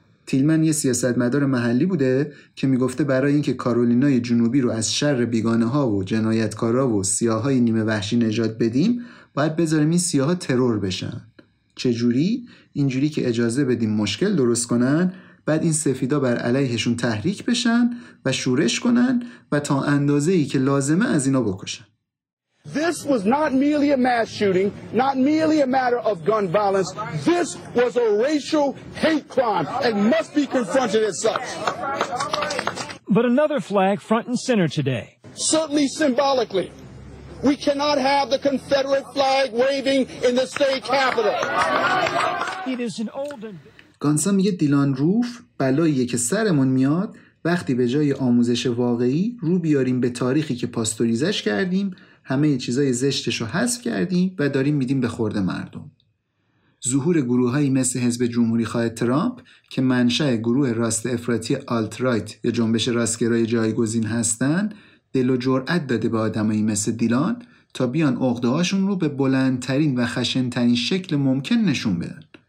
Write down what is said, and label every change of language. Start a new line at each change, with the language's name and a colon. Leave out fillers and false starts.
Persian: تیلمن یه سیاستمدار محلی بوده که میگفته برای اینکه کارولینای جنوبی رو از شر بیگانه‌ها و جنایتکارا و سیاه‌های نیمه وحشی نجات بدیم، باید بذاریم این سیاه‌ها ترور بشن. چجوری؟ اینجوری که اجازه بدیم مشکل درست کنن، بعد این سفیدا بر علیهشون تحریک بشن و شورش کنن و تا اندازه‌ای که لازمه از اینا بکشن.
English: This was not merely a mass shooting, not merely a matter of gun violence. This was a racial hate crime and must be confronted as such. But another flag front and center today. Certainly symbolically. We cannot have the Confederate flag waving in the state capitol. It is an old
Persian: گانسان میگه دیلان روف بلاییه که سرمون میاد وقتی به جای آموزش واقعی رو بیاریم به تاریخی که پاستوریزش کردیم، همه چیزای زشتش رو حذف کردیم و داریم میدیم به خورده مردم. ظهور گروهایی مثل حزب جمهوری خواه ترامپ که منشأ گروه راست افراطی آلت رایت یا جنبش راستگرای جایگزین هستن، دل و جرأت داده به آدمایی مثل دیلان تا بیان عقده‌هاشون رو به بلندترین و خشن‌ترین شکل ممکن نشون بدن.